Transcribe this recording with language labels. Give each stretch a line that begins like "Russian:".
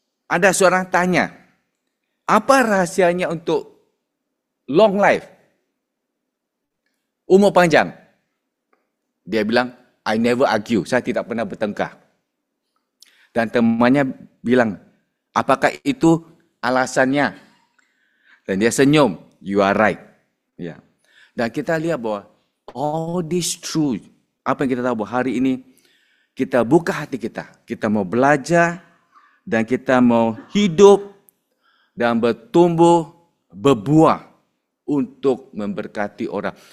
Indonesian: Ada seorang tanya, apa rahasianya untuk
English: long life?
Indonesian: Umur panjang. Dia bilang,
English: I never argue,
Indonesian: saya tidak pernah bertengkar. Dan temannya bilang, apakah itu alasannya? Dan dia senyum,
English: you are right.
Indonesian: Ya. Dan kita lihat bahwa
English: all this true,
Indonesian: apa yang kita tahu bahwa hari ini, kita buka hati kita mau belajar, dan kita mau hidup, dan bertumbuh, berbuah, untuk memberkati orang.